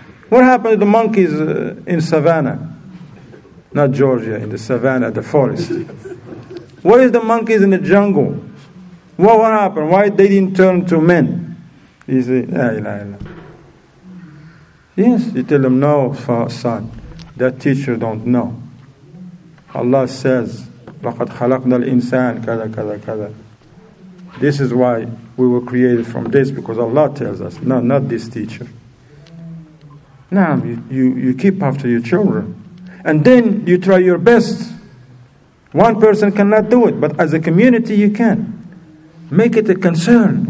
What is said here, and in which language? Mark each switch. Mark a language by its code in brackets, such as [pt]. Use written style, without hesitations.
[en] What happened to the monkeys in savannah? Not Georgia, in the savannah, the forest. What is the monkeys in the jungle? What happened? Why they didn't turn to men? He said, la ilaha illa. Yes, you tell them, no, son, that teacher don't know. Allah says, [ar] لَقَدْ خَلَقْنَا الْإِنسَانِ كَذَا كَذَا كَذَا. [en] This is why we were created from this, because Allah tells us, no, not this teacher. Now, you keep after your children. And then you try your best. One person cannot do it, but as a community you can. Make it a concern.